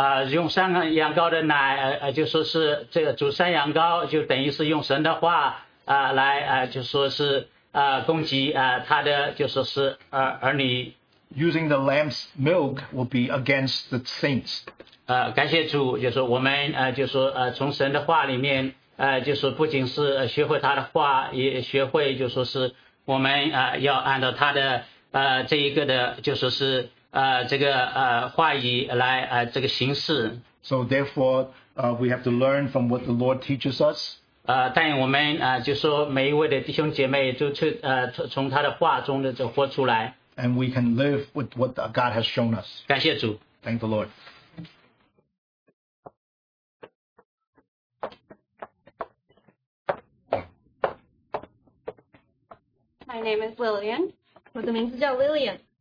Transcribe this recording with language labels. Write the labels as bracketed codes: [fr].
[zh] 用山羊羔的奶就说是这个煮山羊羔就等于是用神的话。来就说是攻击他的就说是儿女。 [en] Using the lamb's milk will be against the saints. [zh] 感谢主，就是我们就说从神的话里面就是不仅是学会他的话，也学会就说是我们要按照他的这一个的就说是这个话语来这个行事。 [en] So therefore, we have to learn from what the Lord teaches us. [zh] 但我们就说每一位的弟兄姐妹都从他的话中的活出来。 [en] And we can live with what God has shown us. [zh] 感谢主。 [en] Thank the Lord. My name is Lillian. [zh] 我的名字叫 Lillian.